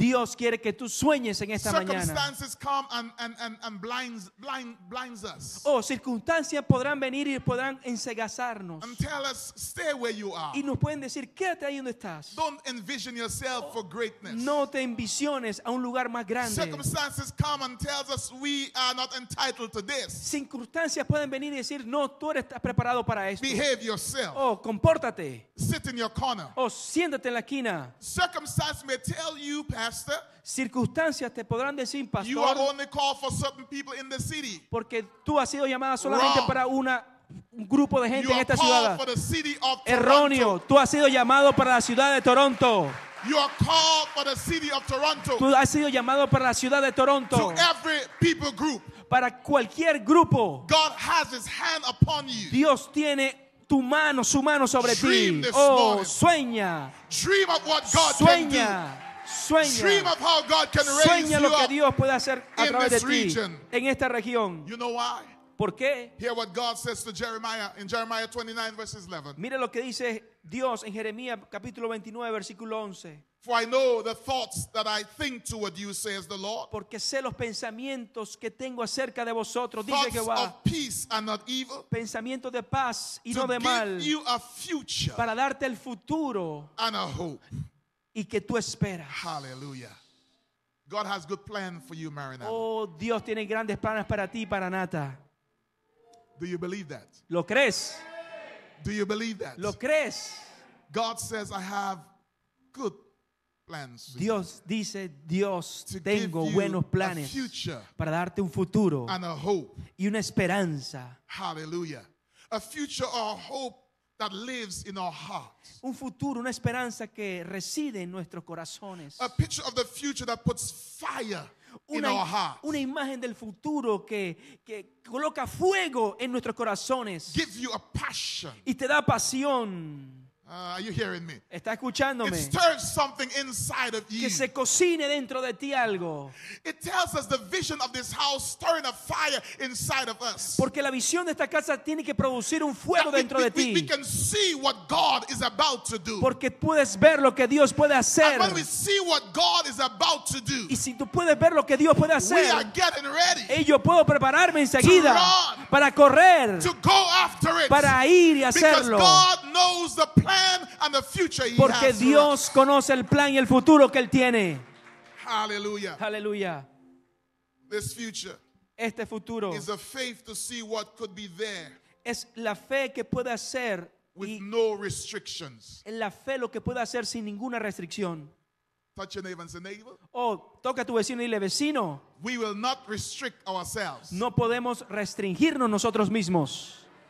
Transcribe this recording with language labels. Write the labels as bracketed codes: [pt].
[es] Dios quiere que tú sueñes en esta mañana. [en] Circumstances come and blinds us. [es] Oh, circunstancias podrán venir y podrán ensegazarnos. [en] And tell us, stay where you are. [es] Y nos pueden decir, quédate ahí donde estás. [en] Don't envision yourself for greatness. [es] No te envisiones a un lugar más grande. [en] Circumstances come and tells us we are not entitled to this. [es] Circunstancias pueden venir y decir, no, tú eres estás preparado para esto. [en] Behave yourself. [es] Oh, compórtate. [en] Sit in your corner. [es] Oh, siéntate en la esquina. [en] Circumstances may tell you, pastor. [es] Circunstancias te podrán decir, pastor. [en] You are only called for certain people in the city. [es] Porque tú has sido llamada solamente [en] Wrong. [es] Para un grupo de gente [en] you [es] en esta ciudad. [en] For the city of [es] Erróneo. [en] Toronto. [es] Tú has sido llamado para la ciudad de Toronto. [en] You are called for the city of Toronto. [es] Tú has sido llamado para la ciudad de Toronto. [en] To every people group. [es] Para cualquier grupo. [en] God has his hand upon you. [es] Dios tiene su mano sobre ti. Oh, sueña. [en] Dream of what God [es] sueña. [en] Can do. Dream of how God can raise [es] sueña lo [en] you [es] que [en] up [es] Dios puede hacer a [en] in [es] través [en] this [es] de [en] region. [es] Ti, en esta región. [en] You know why? [es] ¿Por qué? [en] Hear what God says to Jeremiah in Jeremiah 29 verses 11. [es] Mira lo que dice Dios en Jeremías capítulo 29 versículo 11. [en] For I know the thoughts that I think toward you, says the Lord. [es] Porque sé los pensamientos que tengo acerca de vosotros, dice Jehová. [en] Thoughts of peace and not evil. [es] Pensamientos de paz y no de mal. [en] To give you a future. [es] Para darte el futuro. [en] And a hope. [es] Y que tú esperas. [en] Hallelujah. God has good plan for you, Maranatha. [es] Oh, Dios tiene grandes planes para ti, Maranatha. [en] Do you believe that? [es] ¿Lo crees? [en] Do you believe that? [es] ¿Lo crees? [en] God says I have good plans. [es] Dios dice, Dios, tengo buenos planes para darte un futuro [en] and a hope. [es] Y una esperanza. [en] Hallelujah. A future or hope that lives in our hearts. [es] Un futuro, una esperanza que reside en nuestros corazones. [en] A picture of the future that puts fire [es] una imagen del futuro que coloca fuego en nuestros corazones [en] gives you a passion. [es] Y te da pasión. [en] Are you hearing me? [es] ¿Está escuchándome? [en] It stirs something inside of you. [es] Que se cocine dentro de ti algo. [en] It tells us the vision of this house stirring a fire inside of us. [es] Porque la visión de esta casa tiene que producir un fuego dentro de ti. [en] We can see what God is about to do. [es] Porque puedes ver lo que Dios puede hacer. [en] And when we see what God is about to do. [es] Y si tú puedes ver lo que Dios puede hacer. [en] We are getting ready. [es] Y yo puedo prepararme enseguida. [en] To run, [es] para correr. [en] To go after it. [es] Para ir y hacerlo. [en] Because God knows the plan. And the future he [es] Porque [en] has [es] Dios [en] for us. [es] Conoce el plan y el futuro que él tiene. [en] Hallelujah. [es] Hallelujah. [en] This future. [es] Este futuro. [en] Is a faith to see what could be there. [es] Es la fe que puede hacer. [en] With no restrictions. [es] Es la fe lo que puede hacer sin ninguna restricción. [en] Touch your neighbor and say neighbor. [es] Oh, toca a tu vecino y dile vecino. [en] We will not restrict ourselves. [es] No podemos restringirnos nosotros mismos.